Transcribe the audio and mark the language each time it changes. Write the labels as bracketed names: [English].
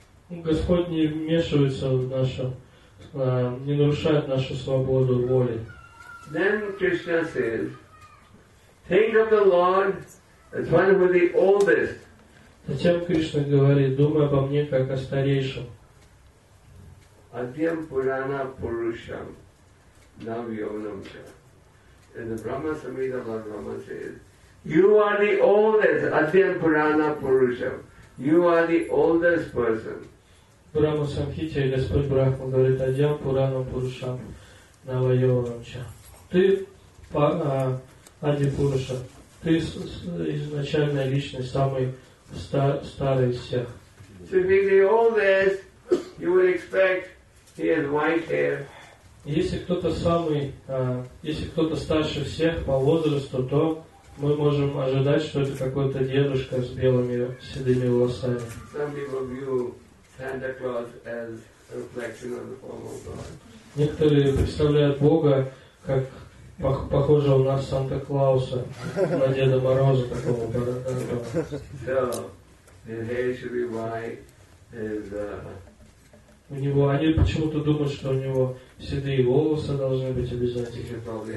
[Russian] Господь не вмешивается в нашу, не нарушает нашу свободу воли. [English] Then Krishna says, think of the Lord as one who is the oldest. [Russian] Затем Кришна говорит, думай обо мне как о старейшем. [Sanskrit] Adhyam Purana Purusham. [English] Now you know me. And the Brahma Samhita Brahma says, you are the oldest, [Sanskrit] Adhyam Purana Purusham. [English] You are the oldest person. [Sanskrit] Brahma Samhita, [Russian] Господь Брахма говорит, [Sanskrit] Adhyam Purana Purusham, Navayovamcha. [Russian] Ты, [Sanskrit] Adhyam Purusha, [Russian] ты изначальная личность, самый старый из всех. [English] So if he's the oldest, you would expect he has white hair. [Russian] Если кто-то старше всех по возрасту, то мы можем ожидать, что это какой-то дедушка с белыми седыми волосами. [English] Some people view Santa Claus as a reflection of the form of God. [Russian] Некоторые представляют Бога как похожего на Санта Клауса, на Деда Мороза такого. [English] So, [Russian] у него, они почему-то думают, что у него седые волосы должны быть обязательно.